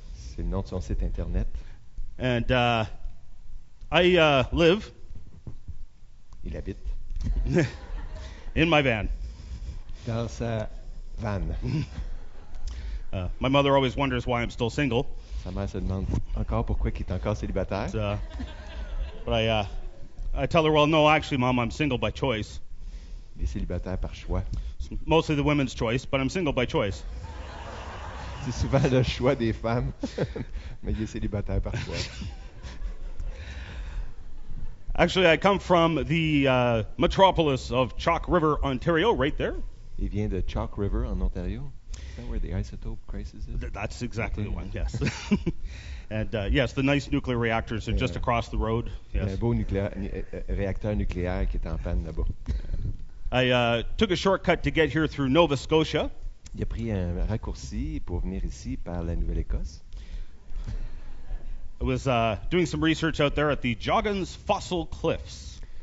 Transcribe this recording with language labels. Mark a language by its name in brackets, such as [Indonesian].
[French] C'est le nom de son site internet. [English] And I live. [French] Il habite. [English] In my van. [French] Dans sa van. [English] My mother always wonders why I'm still single. [French] Sa mère se demande encore pourquoi qu'il est encore célibataire. [English] But I tell her, well, no, actually, Mom, I'm single by choice. [French] Il est célibataire par choix. [English] Mostly the women's choice, but I'm single by choice. [French] C'est souvent le choix des femmes, mais il est célibataire par choix. [English] Actually, I come from the metropolis of Chalk River, Ontario, right there. [French] Il vient de Chalk River, en Ontario. [English] Is that where the isotope crisis is? That's exactly the one, yes. And yes, the nice nuclear reactors are just across the road. Yes. [French] Un beau réacteur nucléaire qui est en panne là-bas. [English] I took a shortcut to get here through Nova Scotia. [French] Il a pris un raccourci pour venir ici par la Nouvelle-Écosse. [English] I was doing some research out there at the Joggins Fossil Cliffs.